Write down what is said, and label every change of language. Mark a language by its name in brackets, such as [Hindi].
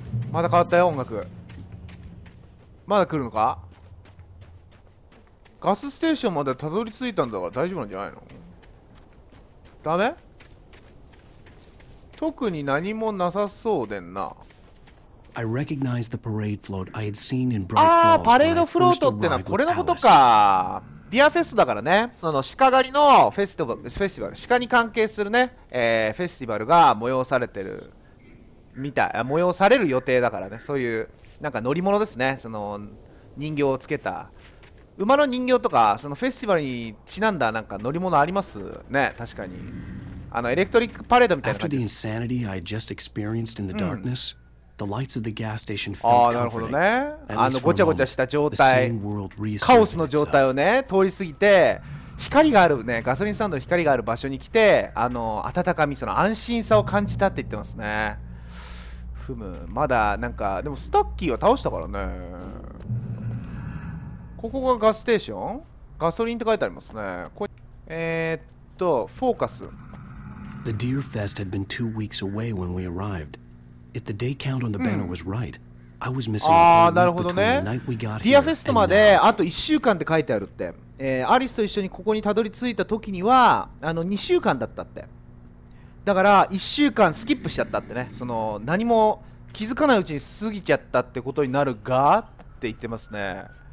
[Japanese] まだ変わったよ、音楽。まだ来るのか。ガスステーションまでたどり着いたんだから大丈夫なんじゃないの。ダメ、特に何もなさそうでんな。 [English] I recognize the parade float I had seen in Bright Falls. [Japanese] ああ、パレードフロートってのはこれのことか。ディアフェストだからね、その鹿狩りのフェスティバル、鹿に関係するね、フェスティバルが催されてるみたい、催される予定だからね、そういうなんか乗り物ですね、その人形をつけた馬の人形とか、そのフェスティバルにちなんだなんか乗り物ありますね、確かに。あのエレクトリックパレードみたいな感じです。 [English] After the insanity I just experienced in the darkness,The lights of the gas station felt comforting. [Japanese] ああ、なるほどね。あのごちゃごちゃした状態、カオスの状態をね、通り過ぎて、光があるね、ガソリンスタンドの光がある場所に来て、あの温かみ、その安心さを感じたって言ってますね。ふむ、まだなんか、でもスタッキーは倒したからね。ここがガスステーション？ガソリンって書いてありますね。これフォーカス。 [English] The Deer Fest had been 2 weeks away when we arrived. If the day count on the banner was right, I was missing a whole week between the night we got here. [Japanese] ディアフェストまであと1週間って書いてあるって。アリスと一緒にここにたどり着いた時には2週間だったって。だから1週間スキップしちゃったってね。その何も気づかないうちに過ぎちゃったってことになるがって言ってますね。